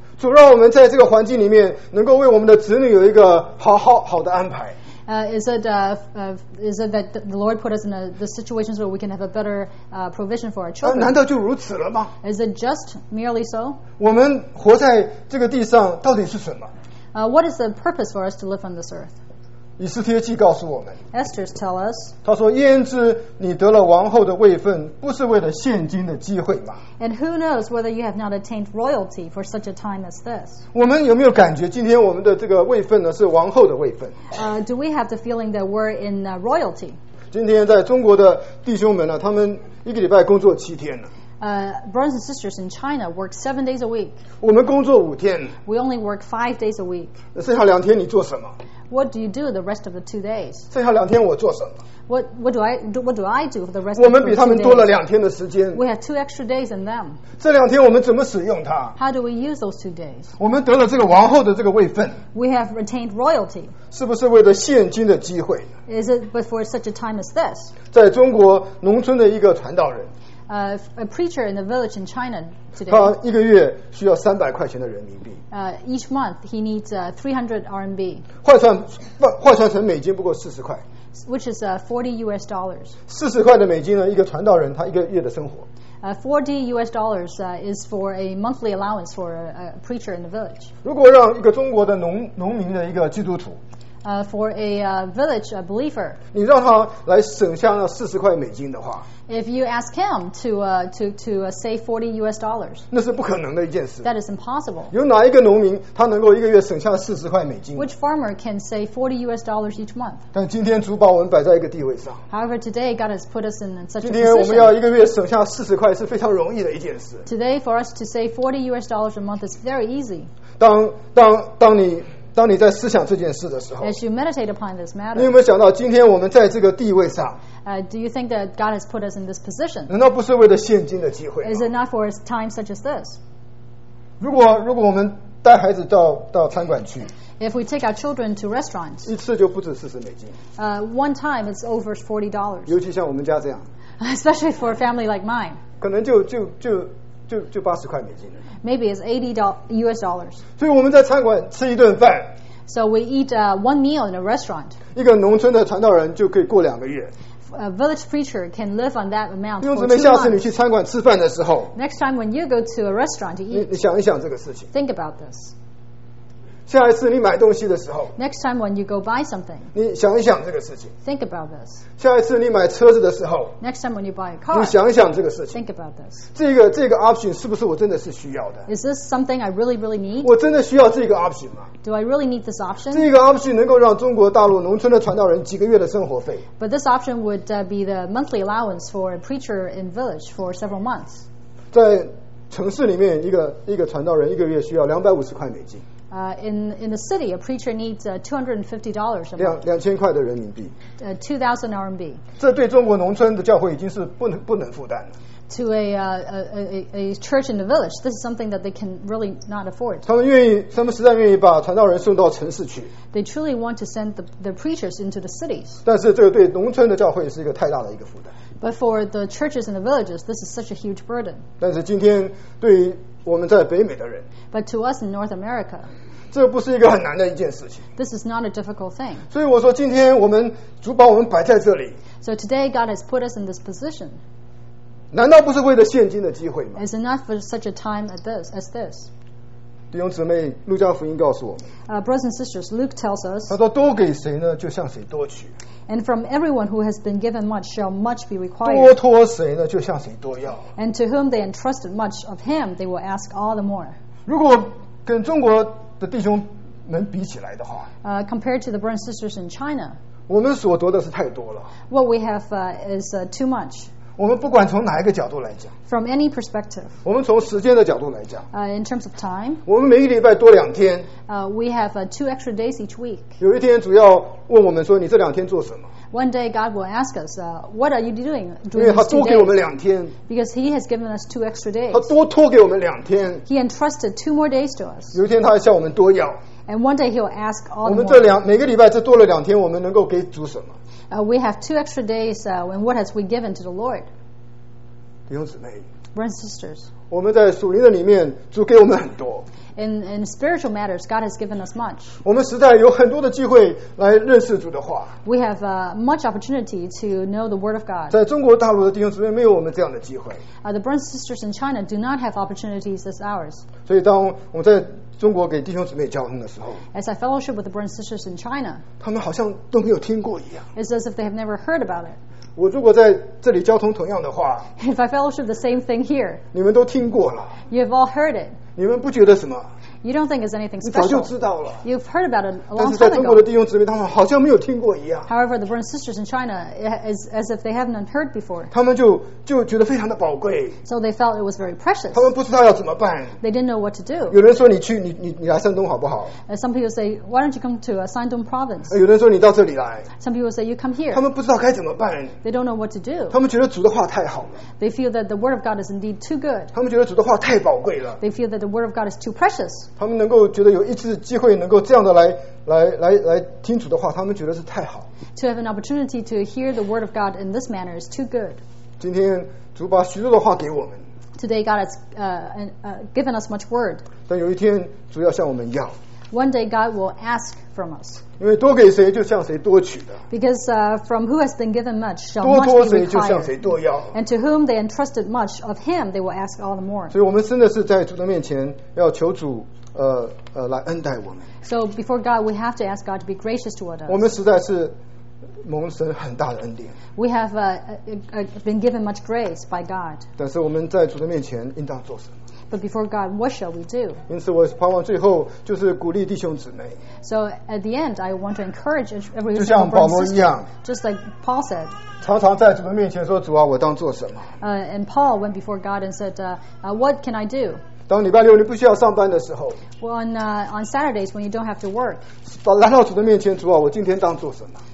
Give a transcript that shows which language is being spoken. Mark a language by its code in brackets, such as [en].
[zh] 主让我们在这个环境里面能够为我们的子女有一个好的安排 [en] is it that the Lord put us in the situations where we can have a better provision for our children? [zh] 难道就如此了吗 [en] Is it just merely so? [zh] 我们活在这个地上到底是什么 [en] What is the purpose for us to live on this earth? [zh] 以斯帖记告诉我们 [en] Esther's tell us [zh] 他说焉知你得了王后的位分不是为了现今的机会吗 [en] And who knows whether you have not attained royalty for such a time as this? [zh] 我们有没有感觉今天我们的这个位分呢是王后的位分 [en] Do we have the feeling that we're in royalty? [zh] 今天在中国的弟兄们呢他们一个礼拜工作七天呢 [en] Brothers and sisters in China work 7 days a week. [zh] 我们工作五天。 [en] We only work 5 days a week. [zh] 剩下两天你做什么 [en] ？What do you do the rest of the 2 days? [zh] 剩下两天我做什么 [en] ？What do I do for the rest of the [zh] 我们比他们多了两天的时间。 [en] We have 2 extra days than them. [zh] 这两天我们怎么使用它 [en] ？How do we use those 2 days? [zh] 我们得了这个王后的这个位分。 [en] We have retained royalty. [zh] 是不是为了现今的机会 [en] ？Is it but for such a time as this? [zh] 在中国农村的一个传道人。 [en] A preacher in a village in China today. [zh] 他一个月需要300块钱的人民币。 [en] Each month he needs 300 RMB. [zh] 换算成美金不过40块。 [en] Which is 40 US dollars. [zh] 40块的美金呢？一个传道人他一个月的生活。 [en] 40 US dollars is for a monthly allowance for a preacher in the village. [zh] 如果让一个中国的农民的一个基督徒。 [en] For a village a believer, [zh] 你让他来省下那40块美金的话 [en] ，if you ask him to save 40 US dollars, [zh] 那是不可能的一件事。 [en] That is impossible. [zh] 有哪一个农民他能够一个月省下40块美金 [en] ？Which farmer can save 40 US dollars each month? [zh] 但今天主把我们摆在一个地位上。 [en] However, today God has put us in such a position. [zh] 今天我们要一个月省下40块是非常容易的一件事。 [en] Today, for us to save 40 US dollars a month is very easy. [zh] 当你在思想这件事的时候 [en] As you meditate upon this matter, [zh] 你有没有想到今天我们在这个地位上 [en] Do you think that God has put us in this position? [zh] 难道不是为了现今的机会吗 [en] Is it not for a time such as this? [zh] 如果我们带孩子 到餐馆去 [en] If we take our children to restaurants, [zh] 一次就不止40美金 [en] One time it's over $40. [zh] 尤其像我们家这样 [en] Especially for a family like mine. [zh] 可能就80块美金 [en] Maybe it's 80 US dollars. [zh] 所以我们在餐馆吃一顿饭。 [en] So we eat one meal in a restaurant. [zh] 一个农村的传道人就可以过两个月。 [en] A village preacher can live on that amount. [zh] 弟兄姊妹，下次你去餐馆吃饭的时候 [en] ，Next time when you go to a restaurant to eat, [zh] 你想一想这个事情。 [en] Think about this. [zh] 下一次你买东西的时候 [en] ，Next time when you go buy something, [zh] 你想一想这个事情。 [en] Think about this. [zh] 下一次你买车子的时候 [en] ，Next time when you buy a car, [zh] 你想一想这个事情。 [en] Think about this. [zh] 这个 option 是不是我真的是需要的 [en] ？Is this something I really really need? [zh] 我真的需要这个 option 吗 [en] ？Do I really need this option? [zh] 这个 option 能够让中国大陆农村的传道人几个月的生活费 [en] ？But this option would be the monthly allowance for a preacher in village for several months. [zh] 在城市里面，一个传道人一个月需要250块美金。 [en] In the city, a preacher needs $250 a month. [zh] 2000块的人民币。 [en] 2000 RMB. [zh] 这对中国农村的教会已经是不能负担了。 [en] To a church in the village, this is something that they can really not afford. [zh] 他们实在愿意把传道人送到城市去。 [en] They truly want to send the preachers into the cities. [zh] 但是这个对农村的教会是一个太大的一个负担。 [en] But for the churches in the villages, this is such a huge burden. [zh] 但是今天对于我们在北美的人 [en] ，But to us in North America， [zh] 这不是一个很难的一件事情。 [en] This is not a difficult thing。 [zh] 所以我说，今天我们主把我们摆在这里。 [en] So today God has put us in this position。 [zh] 难道不是为了现今的机会吗 [en] ？Is it not for such a time as this？ [zh] 弟兄姊妹，路加福音告诉我们。 [en] Brothers and sisters, Luke tells us. [zh] 他说多给谁呢，就向谁多取。 [en] And from everyone who has been given much, shall much be required. [zh] 多托谁呢，就向谁多要。 [en] And to whom they entrusted much of him, they will ask all the more. [zh] 如果跟中国的弟兄能比起来的话。 [en] Compared to the brothers and sisters in China. [zh] 我们所夺的是太多了。 [en] What we have is too much. [zh] 我们不管从哪一个角度来讲 [en] From any perspective [zh] 我们从时间的角度来讲 [en] In terms of time [zh] 我们每一礼拜多两天 [en] We have two extra days each week [zh] 有一天主要问我们说你这两天做什么 [en] One day God will ask us What are you doing during these [zh] 因为他多给我们两天 [en] Because he has given us two extra days [zh] 他多托给我们两天 [en] He entrusted two more days to us [zh] 有一天他还向我们多要 [en] And one day he'll ask all the more [zh] 我们这两每个礼拜这多了两天我们能够给主什么 [en] We have two extra days, and what has we given to the Lord? [zh] 弟兄姊妹 [en] Brothers and sisters. [zh] 我们在属灵的里面，主给我们很多。 [en] In spiritual matters, God has given us much. [zh] 我们实在有很多的机会来认识主的话。 [en] We have much opportunity to know the word of God. [zh] 在中国大陆的弟兄姊妹没有我们这样的机会。 [en] The brothers and sisters in China do not have opportunities as ours. [zh] 所以当我在中国给弟兄姊妹交通的时候 [en] As I fellowship with the brothers and sisters in China [zh] 他们好像都没有听过一样 [en] It's as if they have never heard about it [zh] 我如果在这里交通同样的话 [en] If I fellowship the same thing here [zh] 你们都听过了 [en] You have all heard it [zh] 你们不觉得什么 [en] You don't think it's anything special [zh] 你早就知道了 [en] You've heard about it a long time ago [zh] 但是在中国的弟兄姊妹他们好像没有听过一样 [en] However, the brothers and sisters in China is as if they haven't heard before [zh] 他们就觉得非常的宝贵 [en] So they felt it was very precious [zh] 他们不知道要怎么办 [en] They didn't know what to do [zh] 有人说你去你来山东好不好 [en] Some people say, why don't you come to Shandong province? [zh] 有人说你到这里来 [en] Some people say, you come here [zh] 他们不知道该怎么办 [en] They don't know what to do [zh] 他们觉得主的话太好了 [en] They feel that the word of God is indeed too good [zh] 他们觉得主的话太宝贵了 [en] They feel that the word of God is too precious [zh] 他们能够觉得有一次机会能够这样的来听主的话他们觉得是太好 [en] To have an opportunity to hear the word of God in this manner is too good [zh] 今天主把许多的话给我们 [en] Today God has given us much word. [zh] 但有一天主要向我们要。 [en] One day God will ask from us. [zh] 因为多给谁就向谁多取的。 [en] Because from who has been given much shall much be required. [zh] 多托谁就向谁多要。 [en] And to whom they entrusted much of him they will ask all the more. [zh] 所以我们真的是在主的面前要求主来恩待我们。 [en] So before God we have to ask God to be gracious toward us. [zh] 我们实在是蒙神很大的恩典 [en] We have been given much grace by God [zh] 但是我们在主的面前应当做什么 [en] But before God, what shall we do? [zh] 因此我盼望最后就是鼓励弟兄姊妹 [en] So at the end, I want to encourage every [zh] 就像保罗一样 [en] Just like Paul said [zh] 常常在主的面前说主啊我当做什么 [en] And Paul went before God and said what can I do? [zh] 当礼拜六你不需要上班的时候 [en] well, on Saturdays when you don't have to work [zh] 来到主的面前主啊我今天当做什么